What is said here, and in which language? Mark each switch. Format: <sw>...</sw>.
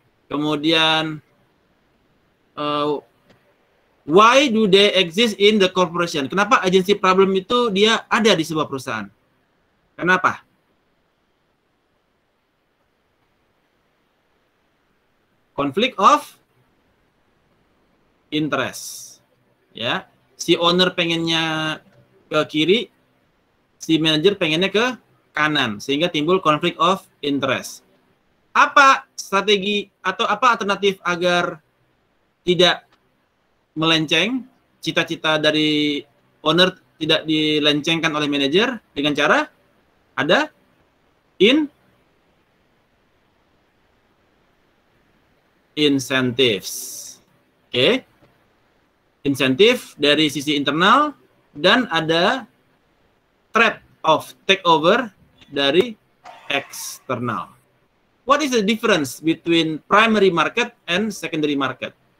<id>Kemudian</id> <en>why do they exist in the corporation?</en> <id>Kenapa agency problem itu dia ada di sebuah perusahaan? Kenapa?</id> <en>Conflict of interest.</en> <id>Ya, si owner pengennya ke kiri, si manager pengennya ke kanan, sehingga timbul conflict of interest. Apa strategi atau apa alternatif agar tidak melenceng, cita-cita dari owner tidak dilencengkan oleh manager? Dengan cara ada incentives. Oke. Okay. Insentif dari sisi internal dan ada threat of takeover dari eksternal.</id> <en>What is the difference between primary market and secondary market?</en>